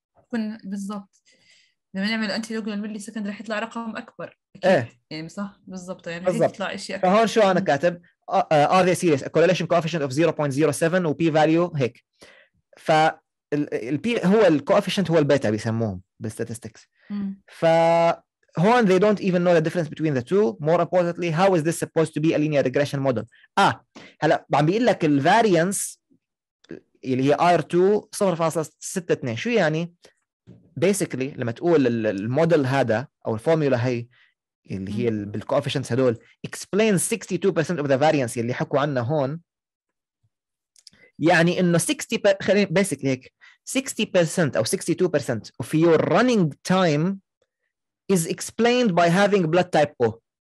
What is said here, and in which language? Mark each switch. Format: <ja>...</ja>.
<ar>كنا بالضبط لما نعمل انتي لوج للملي سكند راح يطلع رقم اكبر. ايه يعني صح بالضبط، يعني راح يطلع شيء اكبر. فهون شو انا كاتب؟ ار ذي سيريس كورليشن كوفيشنت اوف 0.07 وبي فاليو هيك. ف البي هو الكوفيشنت، هو البيتا بيسموهم بالستاتستكس. ف هون</ar> <en>they don't even know the difference between the two. More importantly, how is this supposed to be a linear regression model?</en> <ar>آه هلا عم بيقول لك ال variance اللي هي R2 0.62. شو يعني؟ basically لما تقول الموديل هذا أو الفورمولا هاي اللي هي بالcoefficients هدول</ar> <en>explains 62% of the variance</en> <ar>اللي حكوا عنه هون، يعني إنه 60</ar> <en>basically 60%</en> <ar>أو</ar> <en>62% of your running time is explained by having blood type O.</en>